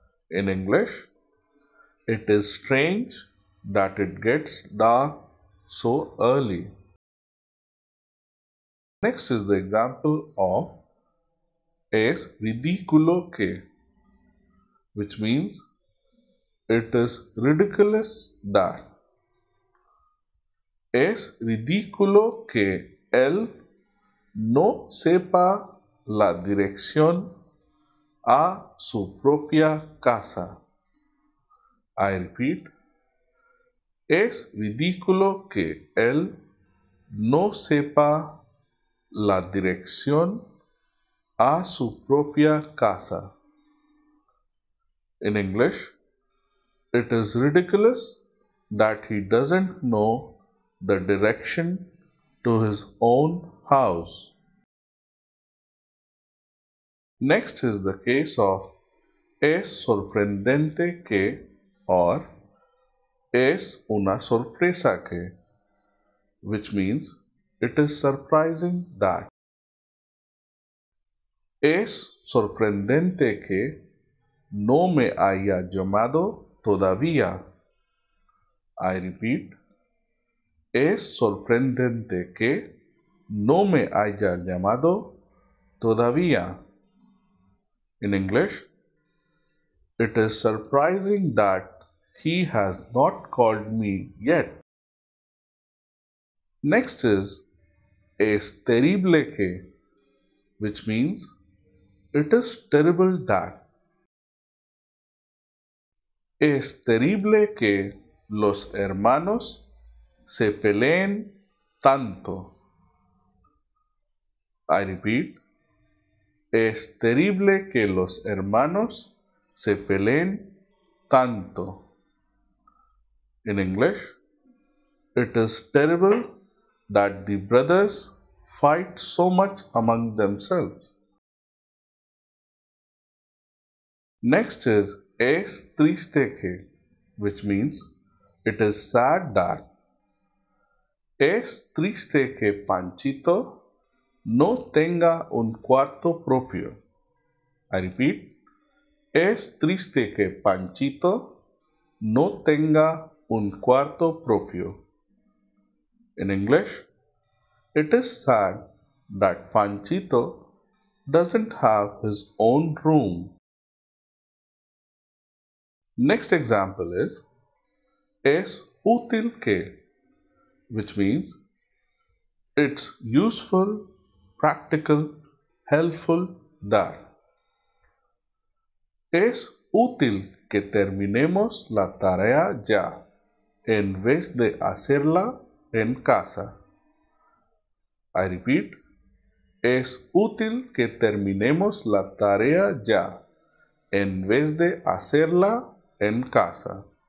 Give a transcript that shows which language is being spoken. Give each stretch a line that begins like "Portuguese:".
English: In English, it is strange that it gets dark so early. Next is the example of
Spanish: es ridículo que,
English: which means it is ridiculous that.
Spanish: Es ridículo que él no sepa la dirección a su propia casa.
English: I repeat,
Spanish: es ridículo que él no sepa la dirección a su propia casa.
English: In English, it is ridiculous that he doesn't know the direction to his own house. Next is the case of
Spanish: es sorprendente que
English: or
Spanish: es una sorpresa que,
English: which means it is surprising that.
Spanish: Es sorprendente que no me haya llamado todavía.
English: I repeat,
Spanish: es sorprendente que no me haya llamado todavía.
English: In English, it is surprising that he has not called me yet. Next is
Spanish: es terrible que,
English: which means it is terrible that.
Spanish: Es terrible que los hermanos se peleen tanto.
English: I repeat.
Spanish: Es terrible que los hermanos se peleen tanto.
English: In English, it is terrible that the brothers fight so much among themselves. Next is
Spanish: es triste que,
English: which means it is sad that.
Spanish: Es triste que Panchito no tenga un cuarto propio.
English: I repeat.
Spanish: Es triste que Panchito no tenga un cuarto propio.
English: In English, it is sad that Panchito doesn't have his own room. Next example is
Spanish: es útil que,
English: which means it's useful, practical, helpful dar.
Spanish: Es útil que terminemos la tarea ya en vez de hacerla en casa.
English: I repeat.
Spanish: Es útil que terminemos la tarea ya en vez de hacerla en casa.